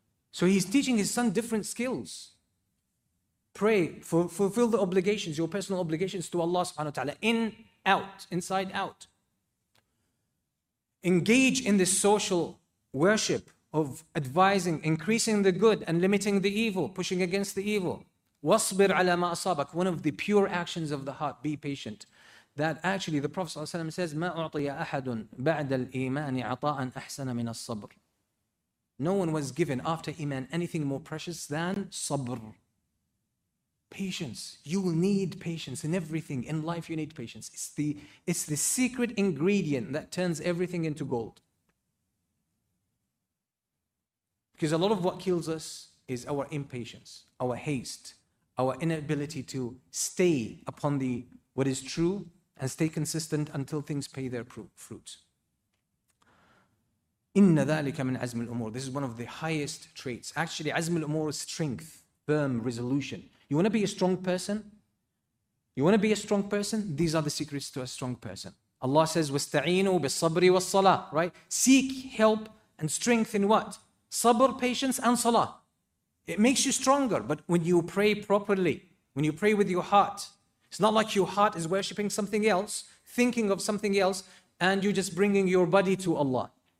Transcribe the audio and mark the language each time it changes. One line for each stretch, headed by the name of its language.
English: So he's teaching his son different skills. Pray, fulfill the obligations, your personal obligations to Allah subhanahu wa ta'ala. In, out, inside, out. Engage in the social worship of advising, increasing the good and limiting the evil, pushing against the evil.
Arabic: وَاصْبِرْ عَلَى مَا أَصَابَكَ.
English: One of the pure actions of the heart, be patient. That actually the Prophet ﷺ says,
Arabic: مَا أُعْطِيَ أَحَدٌ بَعْدَ الْإِيمَانِ عَطَاءً أَحْسَنَ مِنَ الصَّبْرِ.
English: No one was given after Iman anything more precious than sabr. Patience. You need patience in everything. In life, you need patience. It's the secret ingredient that turns everything into gold. Because a lot of what kills us is our impatience, our haste, our inability to stay upon the what is true and stay consistent until things pay their fruit.
Arabic: إِنَّ ذَٰلِكَ مِنْ عَزْمِ الْأُمُورِ.
English: This is one of the highest traits. Actually, عَزْمِ الْأُمُورِ is strength, firm, resolution. You want to be a strong person? You want to be a strong person? These are the secrets to a strong person. Allah says,
Arabic: وَاسْتَعِينُوا بِالصَّبْرِ وَالصَّلَىٰ.
English: Right? Seek help and strength in what? Sabr, patience, and salah. It makes you stronger. But when you pray properly, when you pray with your heart, it's not like your heart is worshipping something else, thinking of something else, and you're just bringing your body to Allah.